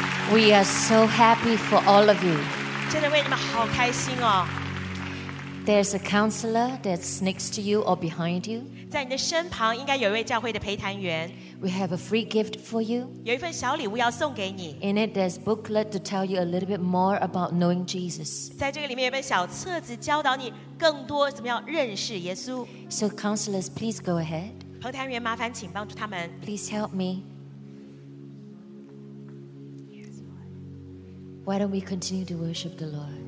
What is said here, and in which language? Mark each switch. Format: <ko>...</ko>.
<en>We are so happy for all of you.</en> <zh>真的为你们好开心哦。</zh> <en>There's a counselor that's next to you or behind you.</en> <zh>在你的身旁应该有一位教会的陪谈员。</zh> <en>We have a free gift for you.</en> <zh>有一份小礼物要送给你。</zh> <en>In it, there's a booklet to tell you a little bit more about knowing Jesus.</en> <zh>在这个里面有一本小册子教导你更多怎么样认识耶稣。</zh> <en>So counselors, please go ahead.</en> <zh>陪谈员麻烦请帮助他们。</zh> <en>Please help me. Why don't we continue to worship the Lord?</en>